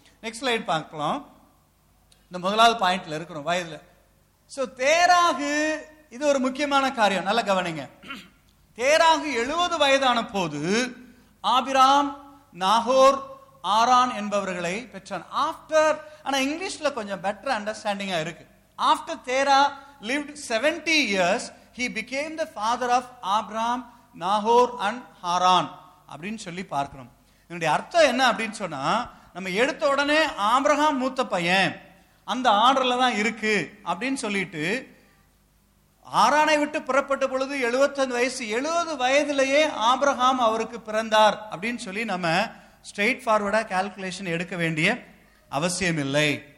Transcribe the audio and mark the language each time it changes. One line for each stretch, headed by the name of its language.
Tamil: Next slide பார்க்கலாம். இந்த முதலாவது பாயிண்ட்ல இருக்கிறோம், வயதுல. சோ தேராகு இது ஒரு முக்கியமான காரியம், நல்ல கவனிங்க. தேராகு 70 வயதான போது ஆபிராம் நாகோர் ஆரான் என்பவர்களை பெற்றான். ஆஃப்டர், ஆனா இங்கிலீஷ்ல கொஞ்சம் பெட்டர் அண்டர்ஸ்டாண்டிங்கா இருக்கு. After Dera
English: lived 70 years, he became the father of Abraham, Nahor and Haran.
Tamil: அப்படின்னு சொல்லி பார்க்கணும். என்னுடைய அர்த்தம் என்ன அப்படின்னு சொன்னா, நம்ம எடுத்த உடனே ஆபிரகாம் மூத்த பையன், அந்த ஆர்டர்ல தான் இருக்கு அப்படின்னு சொல்லிட்டு ஆரானை விட்டு புறப்பட்ட பொழுது 75 வயசு, 70 வயதுலேயே ஆபிரகாம் அவருக்கு பிறந்தார் அப்படின்னு சொல்லி நம்ம ஸ்ட்ரெயிட் ஃபார்வர்டா கால்குலேஷன் எடுக்க வேண்டிய அவசியம் இல்லை.